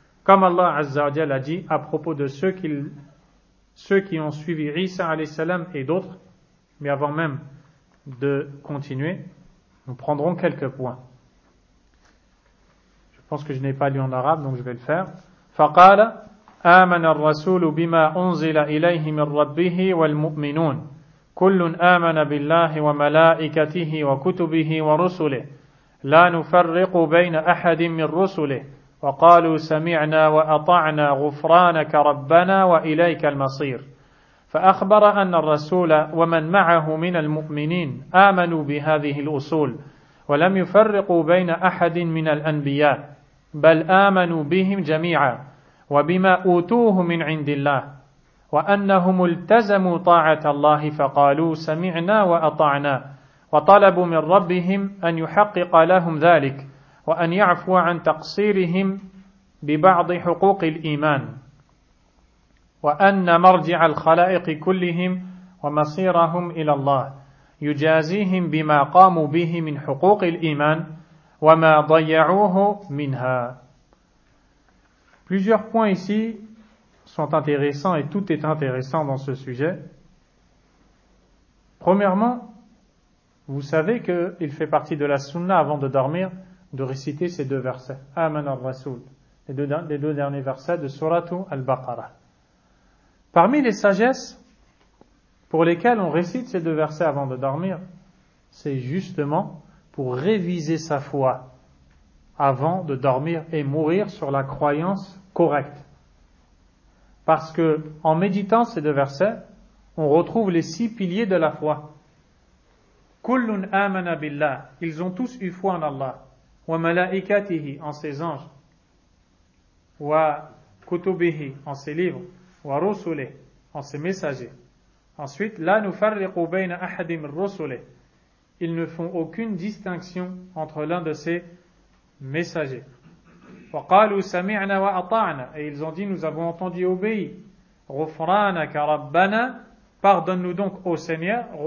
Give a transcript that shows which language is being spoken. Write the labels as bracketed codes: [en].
[fr] Comme Allah Azza wa Jalla a dit à propos de ceux qui ont suivi Isa alayhi salam et d'autres, mais avant même de continuer, nous prendrons quelques points. Je pense que je n'ai pas lu en arabe, donc je vais le faire. [ar] فَقَالَ آمَنَ الرَّسُولُ بِمَا أُنزِلَ إِلَيْهِ مِنْ رَبِّهِ وَالْمُؤْمِنُونَ كُلٌّ آمَنَ بِاللَّهِ وَمَلَائِكَتِهِ وَكُتُبِهِ وَرُسُلِهِ لَا نُفَرِّقُ بَيْنَ أَحَدٍ مِنْ رُسُلِهِ وَقَالُوا سَمِعْنَا وَأَطَعْنَا غُفْرَانَكَ رَبَّنَا وَإِلَيْكَ الْمَصِيرُ فَأَخْبَرَ أَنَّ الرَّسُولَ وَمَنْ مَعَهُ مِنَ الْمُؤْمِنِينَ آمَنُوا بِهَذِهِ الْأُصُولِ ولم يفرقوا بين أحد من الأنبياء بل آمنوا بهم جميعا وبما أوتوه من عند الله وأنهم التزموا طاعة الله فقالوا سمعنا وأطعنا وطلبوا من ربهم أن يحقق لهم ذلك وأن يعفو عن تقصيرهم ببعض حقوق الإيمان وأن مرجع الخلائق كلهم ومصيرهم إلى الله يجازيهم بما قاموا به من حقوق الإيمان وما ضيعوه منها. [fr] Plusieurs points ici sont intéressants et tout est intéressant dans ce sujet. Premièrement, vous savez que il fait partie de la sunna avant de dormir de réciter ces deux versets. Aman al-Rasul, les deux derniers versets de Suratu al-Baqara. Parmi les sagesses pour lesquels on récite ces deux versets avant de dormir, c'est justement pour réviser sa foi avant de dormir et mourir sur la croyance correcte. Parce que, en méditant ces deux versets, on retrouve les six piliers de la foi. [ar] Kullun amana billah. [fr] Ils ont tous eu foi en Allah. [ar] Wa malaikatihi, [fr] en ses anges. [ar] Wa kutubihi, [fr] en ses livres. [ar] Wa rusuli, [fr] en ses messagers. Ensuite, [ar] لا نفرق بين أحد من رسله. [fr] Ils ne font aucune distinction entre l'un de ces messagers. [ar] وقالوا سمعنا وأطعنا. [fr] Et ils ont dit, nous avons entendu et obéi. [ar] غفرانك ربنا. [fr] Pardonne-nous donc au Seigneur.